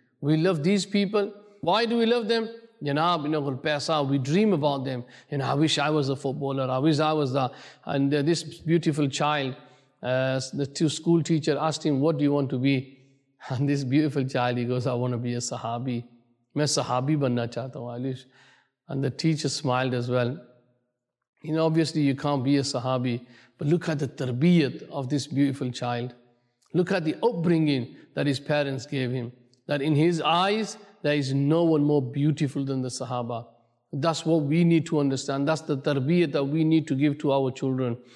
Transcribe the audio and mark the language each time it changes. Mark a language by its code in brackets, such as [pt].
[en] We love these people. Why do we love them? Janab, you know, paisa, we dream about them. You know, I wish I was a footballer. I wish I was that. And this beautiful child, the school teacher asked him, what do you want to be? And this beautiful child, he goes, I want to be a sahabi. [ur] میں صحابی بننا چاہتا ہوں علیش. [en] And the teacher smiled as well. You know, obviously you can't be a sahabi, but look at the tarbiyat of this beautiful child. Look at the upbringing that his parents gave him. That in his eyes, there is no one more beautiful than the sahaba. That's what we need to understand. That's the tarbiyat that we need to give to our children.